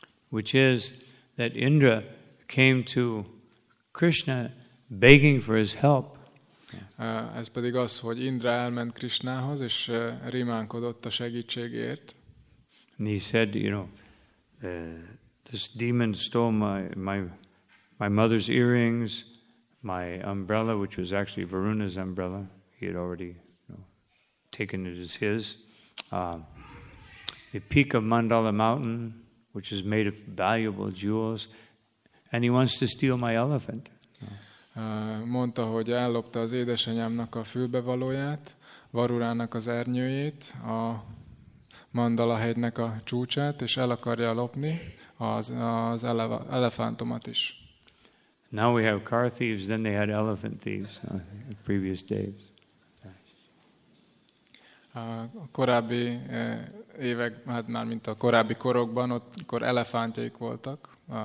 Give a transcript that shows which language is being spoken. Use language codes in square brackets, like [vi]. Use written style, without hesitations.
[en] Which is that Indra came to Krishna begging for his help. [hu] Ez pedig az, hogy Indra elment Krishnához és rimánkodott a segítségért. [en] And he said, you know, this demon stole my mother's earrings, my umbrella, which was actually Varuna's umbrella. He had already, you know, taken it as his. The peak of Mandala Mountain, which is made of valuable jewels, and he wants to steal my elephant. [hu] Mondta, hogy ellopta az édesanyámnak a fülbevalóját, Varunának az ernyőjét, a Mandala hegynek a csúcsát, és el akarja lopni az elefántomat is. [en] Now we have car thieves, then they had elephant thieves in previous days. [hu] A korábbi évek, hát már mint a korábbi korokban, ott akkor elefántjaik voltak.